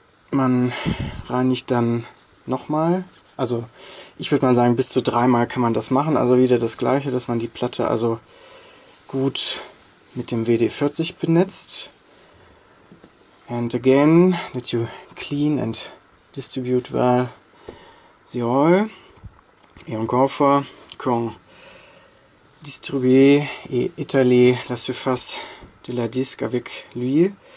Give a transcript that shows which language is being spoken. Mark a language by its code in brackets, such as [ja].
[de] Man reinigt dann nochmal, also ich würde mal sagen, bis zu dreimal kann man das machen, also wieder das gleiche, dass man die Platte also gut mit dem WD-40 benetzt. [en] And again, that you clean and distribute well the oil. [fr] Et encore fois, qu'on distribue et étale la surface de la disque avec l'huile.